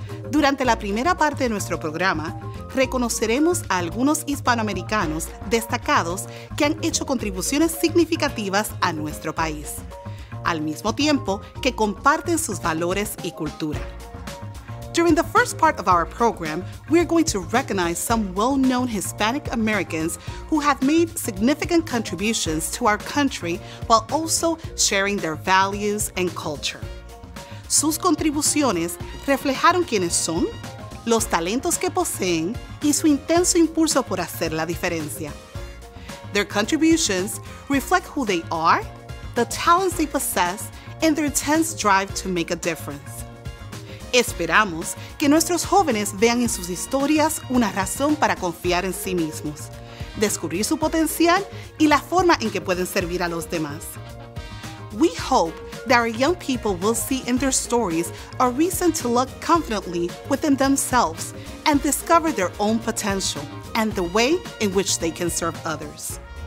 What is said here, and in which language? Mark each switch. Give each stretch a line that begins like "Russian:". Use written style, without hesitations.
Spanish: Durante la primera parte de nuestro programa, reconoceremos a algunos hispanoamericanos destacados que han hecho contribuciones significativas a nuestro país, al mismo tiempo que comparten sus valores y cultura.
English: During the first part of our program, we are going to recognize some well-known Hispanic Americans who have made significant contributions to our country while also sharing their values and culture.
Spanish: Sus contribuciones reflejaron quiénes son, los talentos que poseen, y su intenso impulso por hacer la diferencia.
English: Their contributions reflect who they are, the talents they possess, and their intense drive to make a difference.
Spanish: Esperamos que nuestros jóvenes vean en sus historias una razón para confiar en sí mismos, descubrir su potencial y la forma en que pueden servir a los demás.
English: We hope that our young people will see in their stories a reason to look confidently within themselves and discover their own potential and the way in which they can serve others.